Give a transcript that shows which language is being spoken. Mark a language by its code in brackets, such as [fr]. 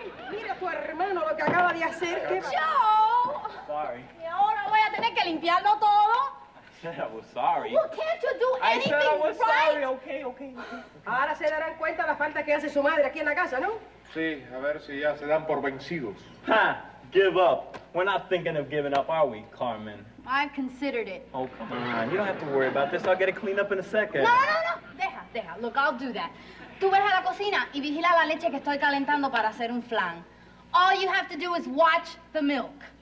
[es] ¡Mira tu hermano lo que acaba de hacer! ¡Qué yo! [en] ¡Sorry! [es] ¿Y ahora voy a tener que limpiarlo todo? [en] I said I was sorry. Well, can't you do anything right? I said I was sorry. Okay. [es] Ahora se darán cuenta la falta que hace su madre aquí en la casa, ¿no? Sí, a ver si ya se dan por vencidos. [en] Ha! Give up. We're not thinking of giving up, are we, Carmen? I've considered it. Oh, come on. You don't have to worry about this. I'll get it cleaned up in a second. [es] No. Deja. [en] Look, I'll do that. [es] Tú ves a la cocina y vigila la leche que estoy calentando para hacer un flan. [en] All you have to do is watch the milk.